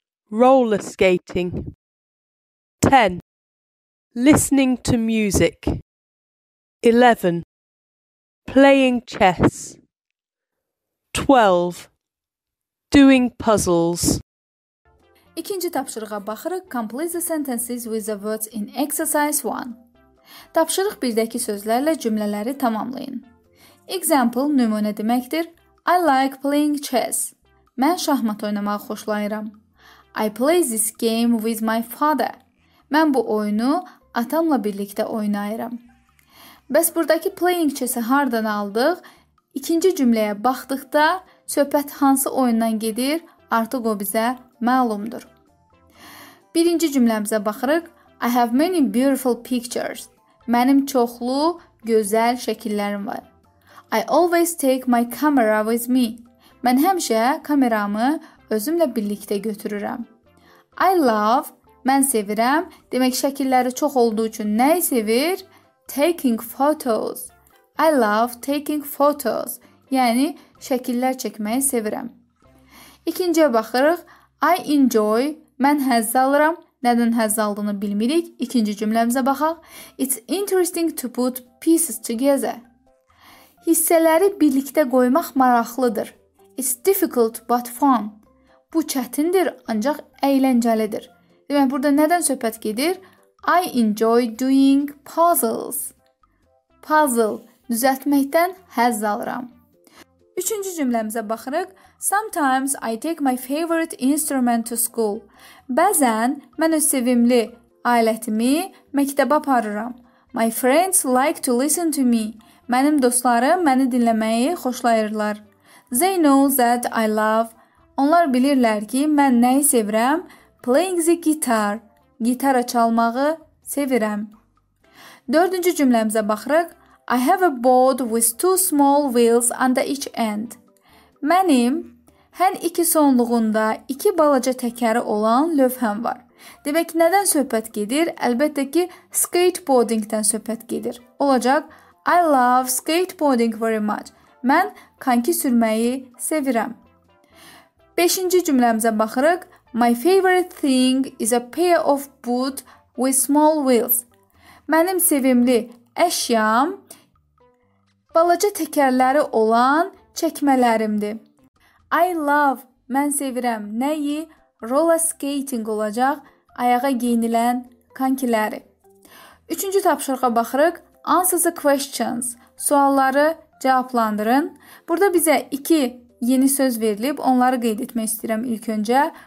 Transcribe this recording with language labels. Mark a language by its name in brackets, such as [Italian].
[English] Roller skating. 10. Listening to music. 11. Playing chess. 12. Doing puzzles. [Azerbaijani] İkinci tapşırığa baxırıq. [English] Complete the sentences with the words in exercise 1. [Azerbaijani] Tapşırıq 1-dəki sözlərlə cümlələri tamamlayın. Example nümunə deməkdir. [English] I like playing chess. [Azerbaijani] Mən şahmat oynamağı xoşlayıram. [English] I play this game with my father. [Azerbaijani] Mən bu oyunu atamla birlikdə oynayıram. Bəs buradakı playing chess-i hardan aldıq? İkinci cümləyə baxdıqda söhbət hansı oyundan gedir, artıq o bizə məlumdur. Birinci cümləmizə baxırıq. [English] I have many beautiful pictures. [Azerbaijani] Mənim çoxlu, gözəl şəkillərim var. [English] I always take my camera with me. [Azerbaijani] Mən həmişə kameramı özümlə birlikdə götürürəm. [English] I love, [Azerbaijani] mən sevirəm. Demək, şəkilləri çox olduğu üçün nəyi sevir? [English] Taking photos. I love taking photos. [Azerbaijani] Yəni, şəkillər çəkməyi sevirəm. İkinciyə baxırıq. [English] I enjoy. [Azerbaijani] Mən həzz alıram. Nədən həzz aldığını bilmirik. İkinci cümləmizə baxaq. [English] It's interesting to put pieces together. [Azerbaijani] Hissələri birlikdə qoymaq maraqlıdır. [English] It's difficult but fun. [Azerbaijani] Bu çətindir, ancaq əyləncəlidir. Demək, burada nədən söhbət gedir? [English] I enjoy doing puzzles. Puzzle. [Azerbaijani] Düzəltməkdən həzz alıram. Üçüncü cümləmizə baxırıq. [English] Sometimes I take my favorite instrument to school. [Azerbaijani] Bəzən mən öz sevimli alətimi məktəbə aparıram. [English] My friends like to listen to me. [Azerbaijani] Mənim dostlarım məni dinləməyi xoşlayırlar. [English] They know that I love. [Azerbaijani] Onlar bilirlər ki, mən nəyi sevirəm? [English] Playing the guitar. [Azerbaijani] Gitara çalmağı sevirəm. Dördüncü cümləmizə baxırıq. [English] I have a board with two small wheels under each end. [Azerbaijani] Mənim hər iki sonluğunda iki balaca təkəri olan lövhəm var. Demək, nədən söhbət gedir? Əlbəttə ki, skateboardingdən söhbət gedir. [English] Olacaq, I love skateboarding very much. [Azerbaijani] Mən kanki sürməyi sevirəm. Beşinci cümləmizə baxırıq. [English] My favorite thing is a pair of boots with small wheels. [Azerbaijani] Mənim sevimli əşyam balaca təkərləri olan çəkmələrimdir. [English] I love, [Azerbaijani] mən sevirəm, nəyi? Roller skating olacaq, ayağa geyinilən kankiləri. Üçüncü tapşırığa baxırıq. [English] Answer the questions. [Azerbaijani] Sualları cavablandırın. Burada bizə iki yeni söz verilib. Onları qeyd etmək istəyirəm ilk öncə.